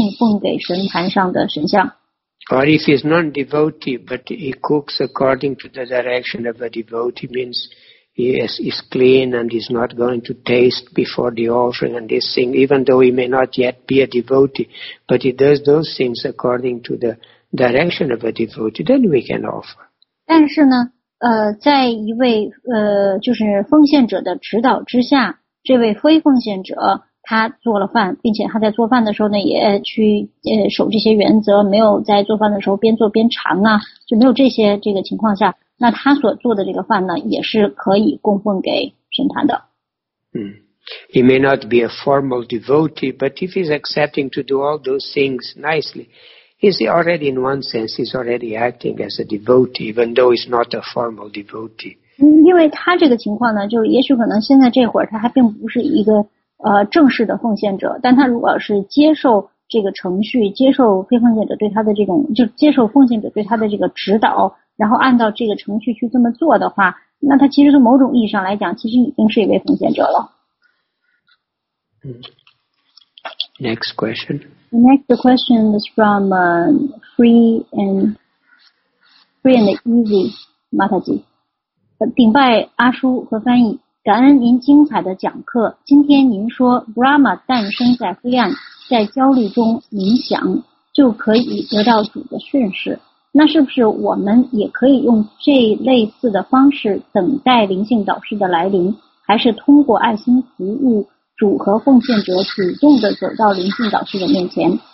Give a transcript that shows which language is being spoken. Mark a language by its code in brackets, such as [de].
[zh] 但是呢，烹制过的这个食物，我们就要非常的小心了。只有奉献者所烹制的这个食物才可以供奉给神坛上的神像。 [en] Or if he's non-devotee, but he cooks according to the direction of a devotee, means he is clean and he's not going to taste before the offering and this thing, even though he may not yet be a devotee, but he does those things according to the direction of a devotee, then we can offer. [zh] 但是呢，在一位就是奉献者的指导之下，这位非奉献者。他做了饭，并且他在做饭的时候呢，也去守这些原则，没有在做饭的时候边做边尝啊，就没有这些这个情况下，那他所做的这个饭呢，也是可以供奉给神坛的。He [en] may not be a formal devotee, but if he's accepting to do all those things nicely, he's already in one sense he's already acting as a devotee, even though he's not a formal devotee. [zh] 因为他这个情况呢，就是也许可能现在这会儿他还并不是一个。 正式的奉献者，但他如果是接受这个程序，接受非奉献者对他的这种，就接受奉献者对他的这个指导，然后按照这个程序去这么做的话，那他其实从某种意义上来讲，其实已经是一位奉献者了。 [en] Next question. The next question is from Free and Easy Mataji. [zh] 顶拜阿叔和翻译，感恩您精彩的讲课。今天您说 Brahma 诞生在黑暗，在焦虑中冥想就可以得到主的训示，那是不是我们也可以用这类似的方式等待灵性导师的来临，还是通过爱心服务主和奉献者主动地走到灵性导师的面前？